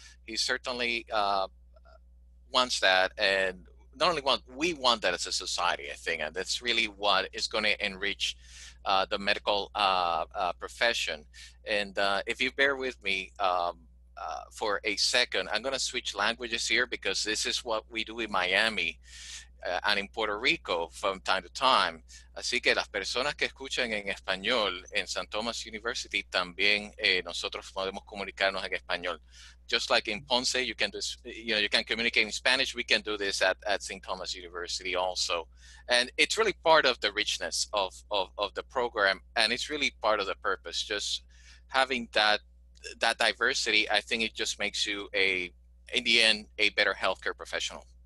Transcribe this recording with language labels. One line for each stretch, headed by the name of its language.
English: He certainly wants that, and not only want, we want that as a society, I think, and that's really what is going to enrich the medical profession. And if you bear with me for a second, I'm going to switch languages here because this is what we do in Miami and in Puerto Rico from time to time.
Spanish: Así que las personas que escuchan en español en San Tomás University también nosotros podemos comunicarnos en español.
English: Just like in Ponce, you can just, you know, you can communicate in Spanish. We can do this at St. Thomas University also. And it's really part of the richness of the program. And it's really part of the purpose. Just having that diversity, I think it just makes you, in the end, a better healthcare professional.